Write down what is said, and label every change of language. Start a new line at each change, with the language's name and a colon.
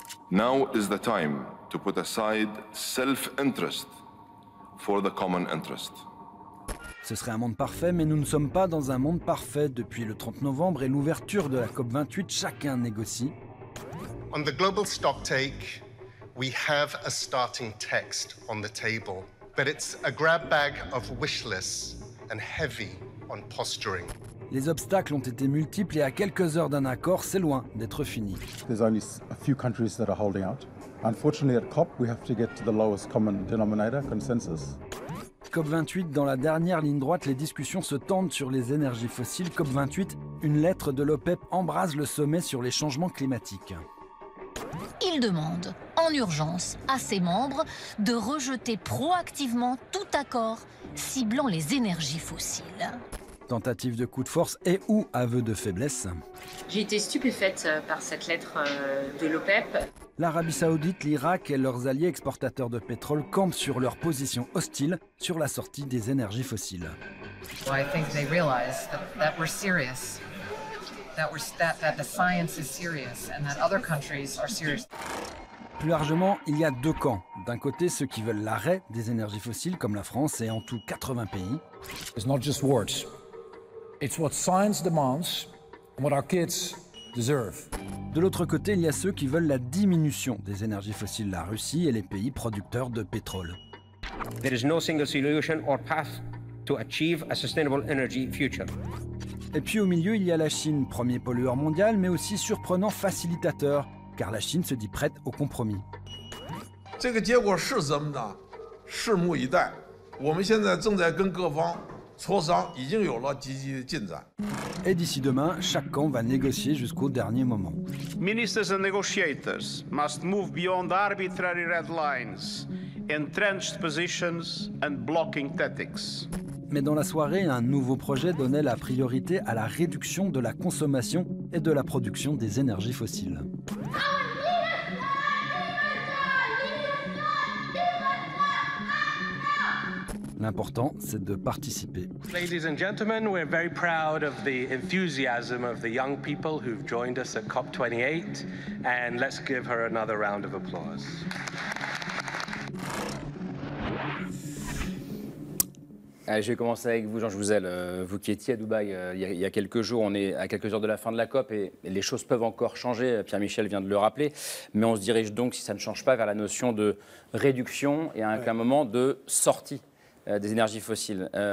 English: Now is the time to put aside self-interest for the common interest.
French: Ce serait un monde parfait, mais nous ne sommes pas dans un monde parfait. Depuis le 30 novembre et l'ouverture de la COP28, chacun négocie.
English: On the global stocktake, we have a starting text on the table, but it's a grab bag of wish lists and heavy on posturing.
French: Les obstacles ont été multiples et à quelques heures d'un accord, c'est loin d'être fini.
English: There's only a few countries that are holding out. Unfortunately, at COP, we have to get to the lowest common denominator, consensus.
French: cette COP28, dans la dernière ligne droite, les discussions se tendent sur les énergies fossiles. COP28, une lettre de l'OPEP embrase le sommet sur les changements climatiques. Il demande, en urgence, à ses membres de rejeter proactivement tout accord ciblant les énergies fossiles. Tentative de coup de force et ou aveu de faiblesse. J'ai été stupéfaite par cette lettre de l'OPEP. L'Arabie Saoudite, l'Irak et leurs alliés exportateurs de pétrole campent sur leur position hostile sur la sortie des énergies fossiles.
English: Well, I think they realize that we're serious. That the science is serious and that other countries are serious.
French: Plus largement, il y a deux camps. D'un côté, ceux qui veulent l'arrêt des énergies fossiles comme la France et en tout 80 pays.
English: It's not just words. It's what science demands and what our kids deserve.
French: De l'autre côté, il y a ceux qui veulent la diminution des énergies fossiles, la Russie et les pays producteurs de pétrole.
English: There is no single solution or path to achieve a sustainable energy future.
French: Et puis au milieu, il y a la Chine, premier pollueur mondial, mais aussi surprenant facilitateur, car la Chine se dit prête au compromis. Et d'ici demain, chaque camp va négocier jusqu'au dernier moment.
English: Ministers and negotiators must move beyond arbitrary red lines, entrenched positions and blocking tactics.
French: Mais dans la soirée, un nouveau projet donnait la priorité à la réduction de la consommation et de la production des énergies fossiles. L'important, c'est de participer.
English: Ladies and gentlemen, we're very proud of the enthusiasm of the young people who've joined us at COP28, and let's give her another round of applause.
French: Allez, je vais commencer avec vous, Jean Jouzel. Vous qui étiez à Dubaï il y a quelques jours, on est à quelques heures de la fin de la COP et les choses peuvent encore changer. Pierre-Michel vient de le rappeler. Mais on se dirige donc, si ça ne change pas, vers la notion de réduction et à un moment de sortie des énergies fossiles.